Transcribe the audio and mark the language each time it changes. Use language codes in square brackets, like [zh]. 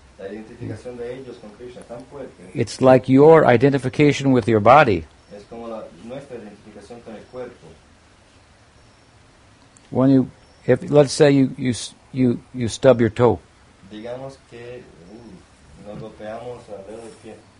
[es] La identificación de ellos con Krishna es tan fuerte. [en] It's like your identification with your body. [es] Es como la, nuestra identificación con el cuerpo. [en] When you, if let's say you stub your toe, [es] digamos que nos golpeamos al dedo del pie.